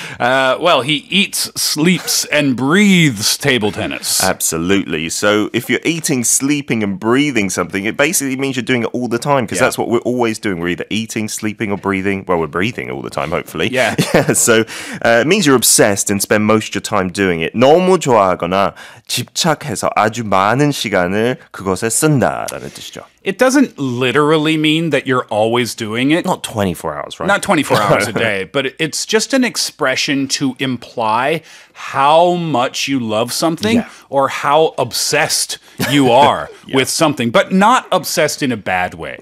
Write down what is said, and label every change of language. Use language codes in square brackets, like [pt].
[en] Well, he eats, sleeps, and breathes table tennis. Absolutely. So if you're eating, sleeping, and breathing something, it basically means you're doing it all the time because that's what we're always doing. We're either eating, sleeping, or breathing. Well, we're breathing all the time, hopefully. Yeah. So it means you're obsessed and spend most of your time doing it. [ko] 너무 좋아하거나 집착해서 아주 많은 시간을 그것에 쓴다라는 뜻이죠. [en] It doesn't literally mean that you're always doing it. Not 24 hours, right? Not 24 hours a day, but it's just an expression to imply how much you love something or how obsessed you are with something, but not obsessed in a bad way.